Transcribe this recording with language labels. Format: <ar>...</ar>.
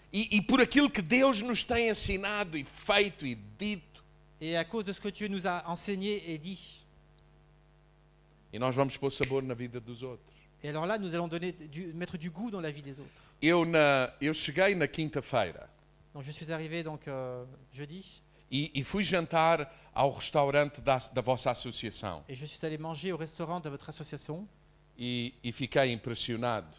<pt>E por aquilo que Deus nos tem ensinado e feito e dito.</pt> <fr>Et à cause de ce que Dieu nous a enseigné et dit.</fr> <pt>E nós vamos pôr sabor na vida dos outros.</pt> <fr>Et alors là nous allons donner du mettre du goût dans la vie des autres.</fr> <pt>Eu cheguei na quinta-feira.</pt> <fr>Donc je suis arrivé donc jeudi.</fr> <pt>E fui jantar ao restaurante da vossa associação.</pt> <fr>Et je suis allé manger au restaurant de votre association.</fr> <pt>E fiquei impressionado.</pt>